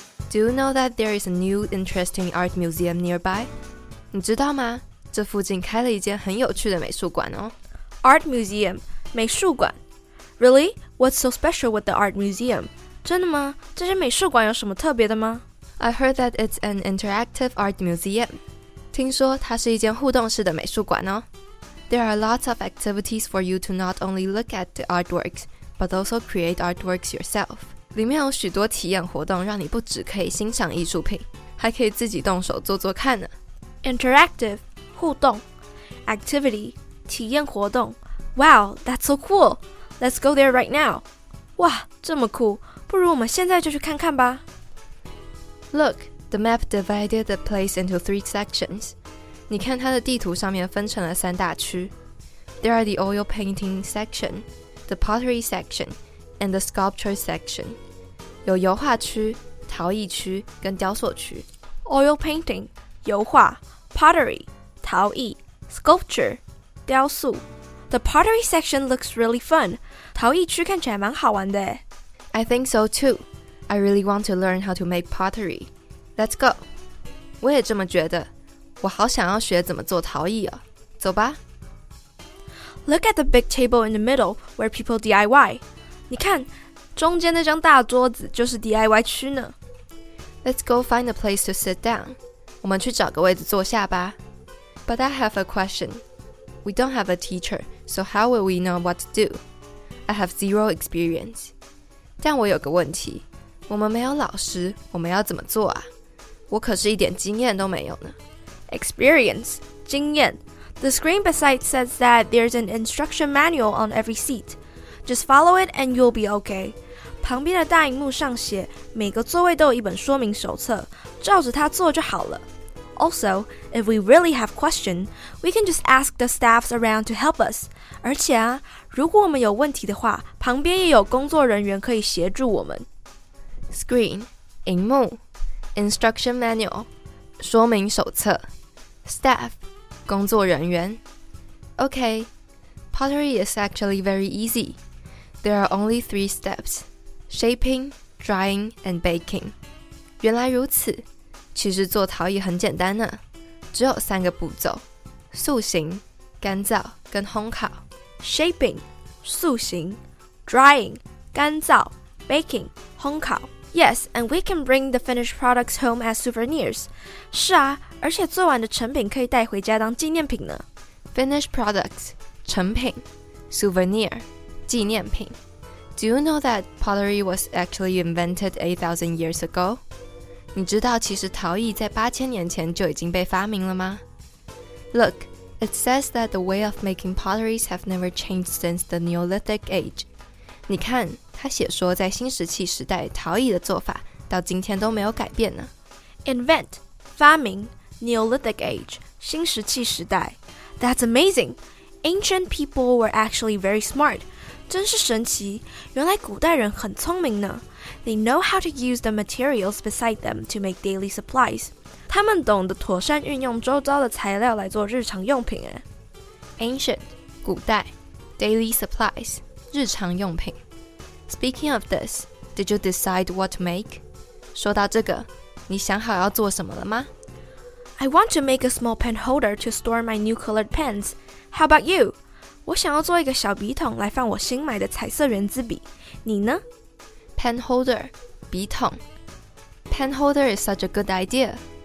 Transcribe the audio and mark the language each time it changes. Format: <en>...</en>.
<en>Do you know that there is a new interesting art museum nearby?</en> <zh>你知道吗？这附近开了一间很有趣的美术馆哦。</zh> <en>Art Museum 美术馆。Really? What's so special with the art museum?</en> <zh>真的吗？这间美术馆有什么特别的吗？</zh> <en>I heard that it's an interactive art museum.</en> <zh>听说它是一间互动式的美术馆哦。</zh> <en>There are lots of activities for you to not only look at the artworks, but also create artworks yourself.</en> <zh>里面有许多体验活动让你不只可以欣赏艺术品，还可以自己动手做做看呢。</zh> <en>Interactive, 互动 Activity, 体验活动 Wow, that's so cool! Let's go there right now!</en> <zh>哇，这么酷，不如我们现在就去看看吧。</zh> <en>Look, the map divided the place into three sections.</en> <zh>你看它的地图上面分成了三大区。</zh> <en>There are the oil painting section, the pottery section, and the sculpture section.</en> <zh>有油画区、陶艺区跟雕塑区。</zh> <en>Oil painting, 油画 pottery, 陶艺 sculpture, 雕塑。 The pottery section looks really fun.</en> <zh>陶艺区看起来蛮好玩的。</zh> <en>I think so too. I really want to learn how to make pottery. Let's go.</en> <zh>我也这么觉得。我好想要学怎么做陶艺哦。走吧。</zh> <en>Look at the big table in the middle where people DIY.</en> <zh>你看，中间那张大桌子就是 DIY 区呢。</zh> <en>Let's go find a place to sit down.</en> <zh>我们去找个位置坐下吧。</zh> <en>But I have a question. We don't have a teacher, so how will we know what to do? I have zero experience.</en> <zh>但我有个问题。我们没有老师，我们要怎么做啊？我可是一点经验都没有呢。</zh> <en>Experience, 经验。 The screen beside says that there's an instruction manual on every seat. Just follow it and you'll be okay.</en> <zh>旁边的大荧幕上写，每个座位都有一本说明手册，照着它做就好了。</zh> <en>Also, if we really have questions, we can just ask the staffs around to help us.</en> <zh>而且啊，如果我们有问题的话，旁边也有工作人员可以协助我们。</zh> <en>Screen, 荧幕 Instruction manual, 说明手册 Staff, 工作人员 Okay, pottery is actually very easy. There are only three steps, shaping, drying, and baking.</en> <zh>原来如此，其实做陶艺很简单呢，只有三个步骤，塑形、干燥跟烘烤</zh> <en>Shaping, 塑形 Drying, 干燥 Baking, 烘烤Yes, and we can bring the finished products home as souvenirs.</en> <zh>是啊，而且做完的成品可以带回家当纪念品呢。</zh> <en>Finished products, 成品 souvenir, 纪念品。 Do you know that pottery was actually invented 8,000 years ago?</en> <zh>你知道其实陶艺在8000年前就已经被发明了吗？</zh> <en>Look, it says that the way of making potteries have never changed since the Neolithic age.</en> <zh>你看他写说在新石器时代陶艺的做法到今天都没有改变呢。</zh> <en>Invent, 发明 Neolithic age, 新石器时代 That's amazing! Ancient people were actually very smart.</en> <zh>真是神奇，原来古代人很聪明呢。</zh> <en>They know how to use the materials beside them to make daily supplies.</en> <zh>他们懂得妥善运用周遭的材料来做日常用品耶。</zh> <en>Ancient, 古代 Daily supplies, 日常用品Speaking of this, did you decide what to make?</en> <zh>说到这个，你想好要做什么了吗？</zh> <en>I want to make a small pen holder to store my new colored pens. How about you?</en> <zh>我想要做一个小笔筒来放我新买的彩色圆珠笔。你呢？</zh> <en>Pen holder, 笔筒。Pen holder is such a good idea.</en>